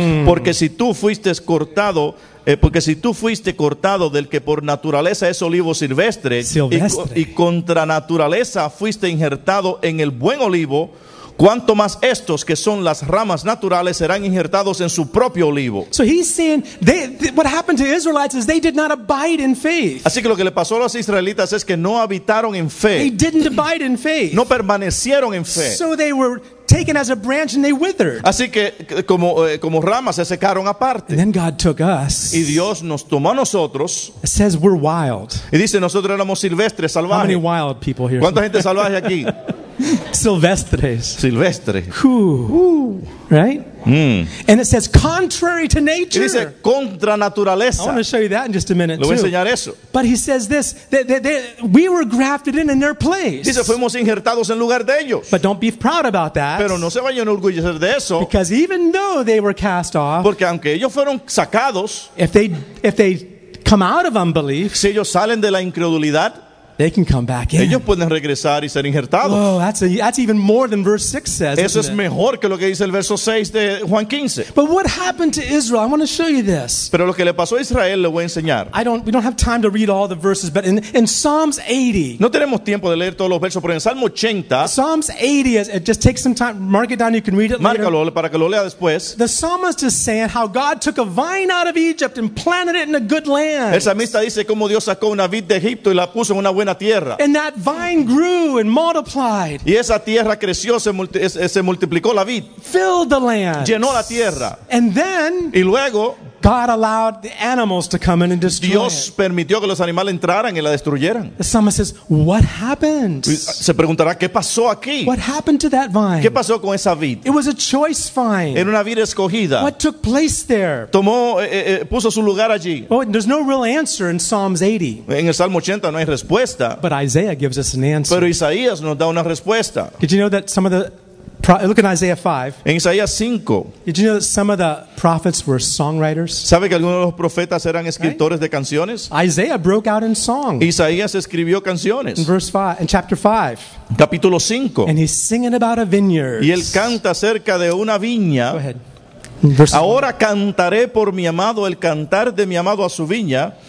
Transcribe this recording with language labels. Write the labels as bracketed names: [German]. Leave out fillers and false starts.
[Spanish] Porque si tú fuiste cortado, porque si tú fuiste cortado del que por naturaleza es olivo silvestre, silvestre. Y contra naturaleza fuiste injertado en el buen olivo, cuanto más estos que son las ramas naturales serán injertados en su propio olivo. [English] So he's saying what happened to Israelites is they did not abide in faith. [Spanish] Así que lo que le pasó a los israelitas es que no habitaron en fe. [English] They didn't abide in faith. [Spanish] No permanecieron en fe. [English] So they were taken as a branch and they withered. [Spanish] Así que como ramas se secaron aparte. [English] And then God took us. [Spanish] Y Dios nos tomó a nosotros. [English] It says we're wild. [Spanish] Y dice nosotros éramos silvestres, salvajes. [English] How many wild people here? [Spanish] ¿Cuánta gente salvaje aquí? Silvestres. Silvestre. [English] Right? And it says contrary to nature. [Spanish] Dice contra naturaleza. [English] I want to show you that in just a minute. [Spanish] Le voy a enseñar eso. [English] But he says this: that we were grafted in their place. [Spanish] Dice fuimos injertados en lugar de ellos. [English] But don't be proud about that. [Spanish] Pero no se vayan a orgullecer de eso. [English] Because even though they were cast off, [Spanish] porque aunque ellos fueron sacados, [English] if they come out of unbelief, [Spanish] si ellos salen de la incredulidad, [English] they can come back in. [Spanish] Ellos pueden regresar y ser injertados. [English] Whoa, that's even more than verse 6 says. [Spanish] Eso es mejor que lo que dice el verso 6 de Juan 15. [English] But what happened to Israel? I want to show you this. [Spanish] Pero lo que le pasó a Israel le voy a enseñar. [English] We don't have time to read all the verses, but in Psalms 80. [Spanish] No tenemos tiempo de leer todos los versos, pero en Salmo 80. [English] Psalms 80, it just takes some time. Mark it down, you can read it [Spanish] márcalo [English] later. [Spanish] Para que lo lea después. [English] The psalmist is saying how God took a vine out of Egypt and planted it in a good land. [Spanish] El salmista dice cómo Dios sacó una vid de Egipto y la puso en una buena tierra. [English] And that vine grew and multiplied. [Spanish] Y esa tierra creció, se multiplicó la vid. [English] Filled the land. [Spanish] Llenó la tierra. [English] And then, [Spanish] y luego, [English] God allowed the animals to come in and destroy [Spanish] Dios [English] it. [Spanish] Dios permitió que los animales entraran y la destruyeran. [English] The psalmist says, "What happened?" [Spanish] Se preguntará qué pasó aquí. [English] What happened to that vine? [Spanish] ¿Qué pasó con esa vid? [English] It was a choice vine. [Spanish] Era una vid escogida. [English] What took place there? [Spanish] Tomó, puso su lugar allí. [English] Oh, there's no real answer in Psalms 80. [Spanish] En el Salmo 80 no hay respuesta. [English] But Isaiah gives us an answer. [Spanish] Pero Isaías nos da una respuesta. [English] Did you know that some of the look at Isaiah 5. [Spanish] En Isaías 5. [English] Did you know that some of the prophets were songwriters? [Spanish] ¿Sabe que algunos de los profetas eran escritores right? de canciones? [English] Isaiah broke out in song. [Spanish] Isaías escribió canciones. [English] In verse 5, in chapter 5. [Spanish] Capítulo 5. [English] And he's singing about a vineyard. [Spanish] Y él canta acerca de una viña. [English] Go ahead. Verse ahora one. [Spanish] Cantaré por mi amado el cantar de mi amado a su viña.